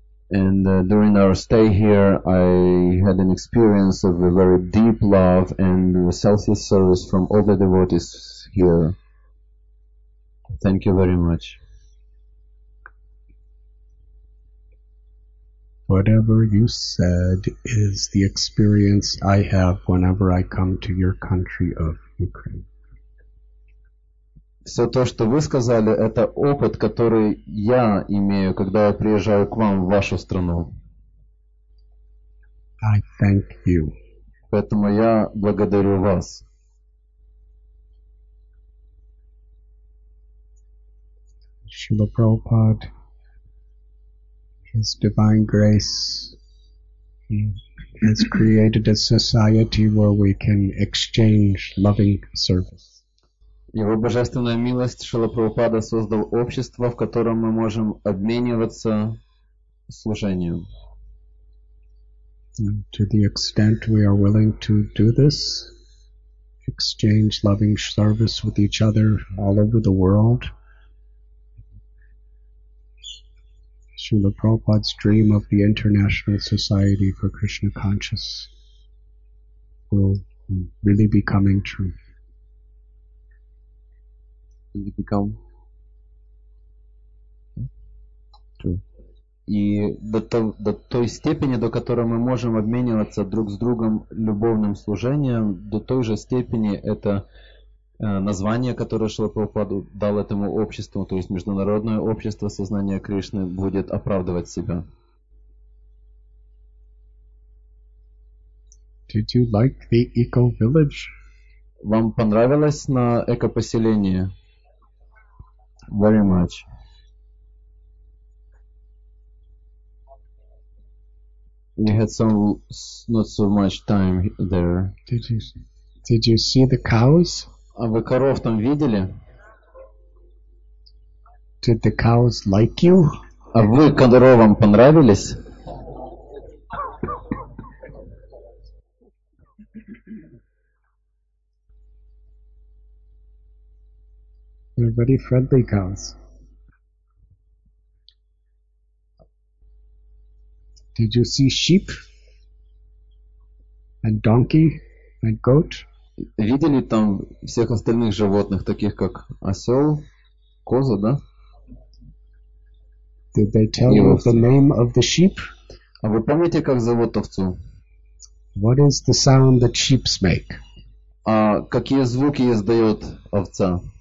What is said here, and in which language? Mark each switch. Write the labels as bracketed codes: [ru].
[en] And during our stay here, I had an experience of a very deep love and selfless service from all the devotees here. Thank you very much. Whatever you said is the experience I have whenever I come to your country of Ukraine. [ru] Все то, что вы сказали, это опыт, который я имею, когда я приезжаю к вам в вашу страну. [en] I thank you. [ru] Поэтому я благодарю вас. [en] Шрила Прабхупад, His divine grace, has created a society where we can exchange loving service. [ru] Его божественная милость, Шрила Прабхупада, создал общество, в котором мы можем обмениваться служением. [en] To the extent we are willing to do this, exchange loving service with each other all over the world, Шрила Прабхупада's dream of the International Society for Krishna Conscious will really be coming true. Become [ru] И до той степени, до которой мы можем обмениваться друг с другом любовным служением, до той же степени это название, которое Шрила Прабхупада дал этому обществу, то есть международное общество сознания Кришны, будет оправдывать себя. [en] Did you like the eco village? [ru] Вам понравилось на эко-поселение? [en] Very much. We had not so much time there. Did you see the cows? [ru] А вы коров там видели? [en] Did the cows like you? [ru] А вы коровам понравились? [en] They're very friendly cows. Did you see sheep and donkey and goat? [ru] Видели там всех остальных животных, таких как осел, коза, да? [en] Did they tell you the name of the sheep? [ru] А вы помните, как зовут овцу? [en] What is the sound that sheep make? [ru] А какие звуки издает овца?